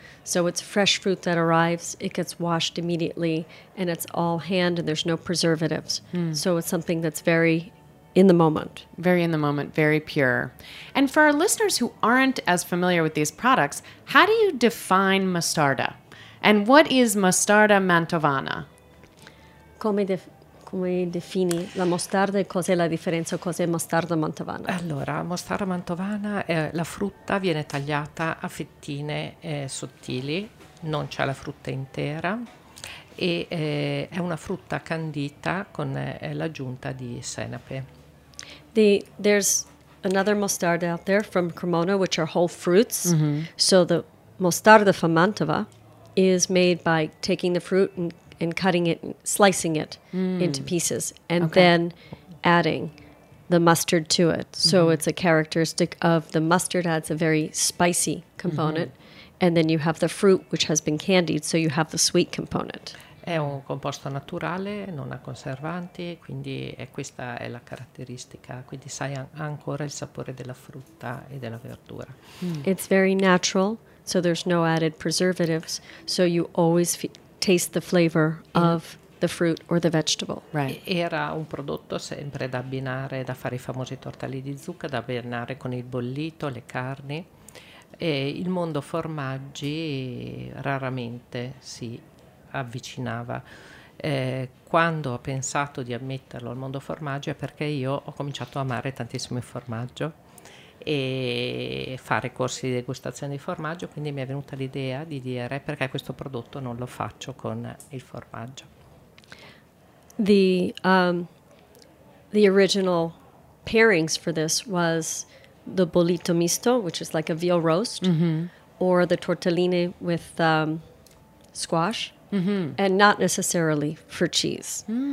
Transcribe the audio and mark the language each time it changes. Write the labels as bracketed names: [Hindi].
[English] So it's fresh fruit that arrives, it gets washed immediately, and it's all hand and there's no preservatives. So it's something that's very in the moment. Very in the moment, very pure. And for our listeners who aren't as familiar with these products, how do you define mostarda? And what is mostarda mantovana? [Italian] Come defini la mostarda e cos'è la differenza, cos'è mostarda mantovana? Allora, mostarda mantovana, la frutta viene tagliata a fettine sottili, non c'è la frutta intera, e è una frutta candita con l'aggiunta di senape. [English] There's another mostarda out there from Cremona, which are whole fruits. So the mostarda from Mantova is made by taking the fruit and and cutting it, slicing it into pieces, and then adding the mustard to it. So it's a characteristic of the mustard, adds a very spicy component. And then you have the fruit, which has been candied, so you have the sweet component. [Italian] È un composto naturale, non ha conservanti, quindi è questa è la caratteristica. Quindi sai ancora il sapore della frutta e della verdura. [English] It's very natural, so there's no added preservatives, so you always taste the flavor of the fruit or the vegetable. Right. [Italian] Era un prodotto sempre da abbinare, da fare i famosi tortelli di zucca, da abbinare con il bollito, le carni. E il mondo formaggi raramente si avvicinava. Quando ho pensato di ammetterlo al mondo formaggio è perché io ho cominciato a amare tantissimo il formaggio e fare corsi di degustazione di formaggio, quindi mi è venuta l'idea di dire perché questo prodotto non lo faccio con il formaggio. [English] The original pairings for this was the bollito misto, which is like a veal roast, or the tortellini with squash, and not necessarily for cheese.